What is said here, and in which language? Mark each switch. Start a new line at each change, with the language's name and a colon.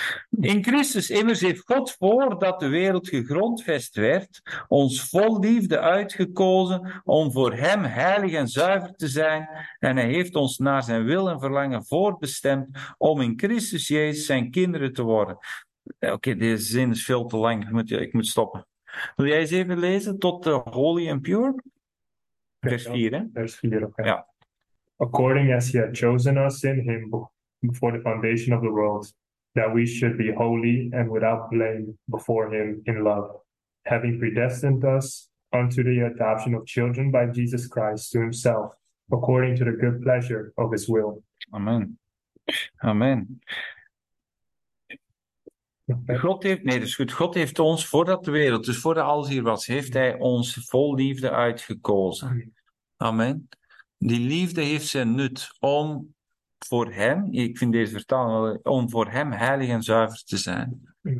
Dutch: In Christus immers heeft God, voordat de wereld gegrondvest werd, ons vol liefde uitgekozen om voor hem heilig en zuiver te zijn. En hij heeft ons naar zijn wil en verlangen voorbestemd om in Christus Jezus zijn kinderen te worden. Oké, deze zin is veel te lang. Ik moet stoppen. Wil jij eens even lezen tot de
English: Holy and Pure?
Dutch: Vers 4, hè? Vers 4, okay. Ja.
English: According as he had chosen us in him before the foundation of the world, that we should be holy and without blame before him in love, having predestined us unto the adoption of children by Jesus Christ to himself, according to the good pleasure of his will.
Dutch: Amen. Amen. God heeft, nee, dat is goed. God heeft ons, voordat de wereld, dus voordat alles hier was, heeft hij ons vol liefde uitgekozen. Amen. Die liefde heeft zijn nut om voor hem, ik vind deze vertaling, om voor hem heilig en zuiver te zijn.